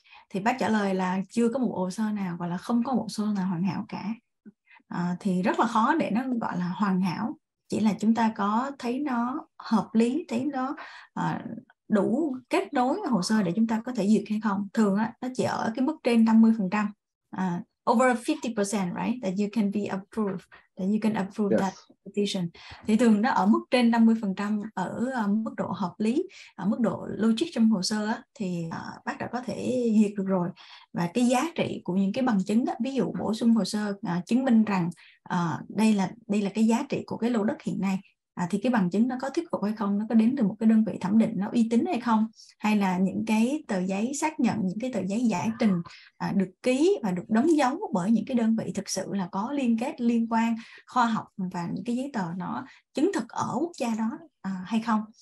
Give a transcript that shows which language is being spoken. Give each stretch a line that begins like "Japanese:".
Vietnamese: Thì bác trả lời là chưa có một hồ sơ nào, gọi là không có một hồ sơ nào hoàn hảo cả. Thì rất là khó để nó gọi là hoàn hảo, chỉ là chúng ta có thấy nó hợp lý, thấy nó đủ kết nối hồ sơ để chúng ta có thể duyệt hay không. Thường á, nó chỉ ở cái mức trên 50%,
English: over 50%, right? That you can be approved, that you can approve, yes, that petition.
Vietnamese: Thì thường nó ở mức trên 50% ở mức độ hợp lý, ở mức độ logic trong hồ sơ á, thì bác đã có thể duyệt được rồi. Và cái giá trị của những cái bằng chứng á, ví dụ bổ sung hồ sơ chứng minh rằng đây là cái giá trị của cái lô đất hiện nay, thì cái bằng chứng nó có thuyết phục hay không, nó có đến từ một cái đơn vị thẩm định nó uy tín hay không, hay là những cái tờ giấy xác nhận, những cái tờ giấy giải trình được ký và được đóng dấu bởi những cái đơn vị thực sự là có liên kết, liên quan khoa học, và những cái giấy tờ nó chứng thực ở quốc gia đó hay không.